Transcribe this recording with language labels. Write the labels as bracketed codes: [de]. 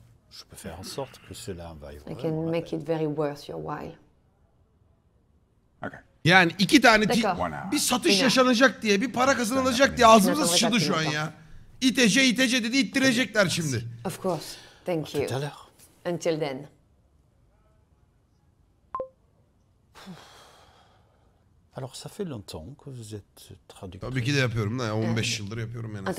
[fr] Je peux faire en sorte que cela vaille. [en] I can make it very worth your while. Okay. [tr] Yani iki tane bir satış yaşanacak diye, bir para kazanılacak diye ağzımıza sıçıldı şu an ya. İtece itece dedi, ittirecekler şimdi. [en] Of course. Thank you. Until then. [fr] Alors ça fait longtemps que vous êtes traducteur. [tr] Tabii ki de yapıyorum da, 15 yıldır yapıyorum en az.